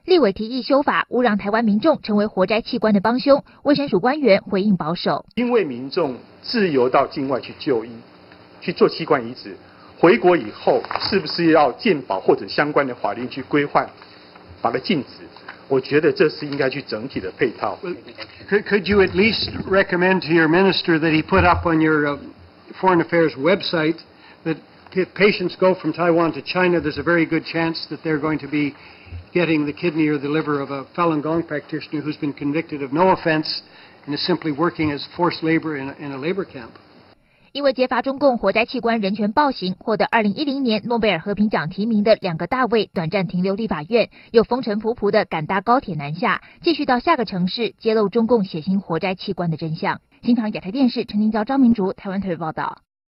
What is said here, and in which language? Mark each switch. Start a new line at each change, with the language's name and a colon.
Chinese: 立委提议修法，勿让台湾民众成为活摘器官的帮凶。卫生署官员回应保守： 因为民众自由到境外去就医、去做器官移植，回国以后是不是要健保或者相关的法令去规范，把它禁止？我觉得这是应该去整体的配套。
English: Could you at least recommend to your minister that he put up on your foreign affairs website that? If patients go from Taiwan to China, there's a very good chance that they're going to be getting the kidney or the liver of a Falun Gong practitioner who's been convicted of no offense and is simply working as forced labor in a labor camp.
Chinese: 因为揭发中共活摘器官人权暴行，获得2010年诺贝尔和平奖提名的两个大卫短暂停留立法院，又风尘仆仆地赶搭高铁南下，继续到下个城市揭露中共血腥活摘器官的真相。新唐亚太电视陈金娇、张明竹台湾特别报道。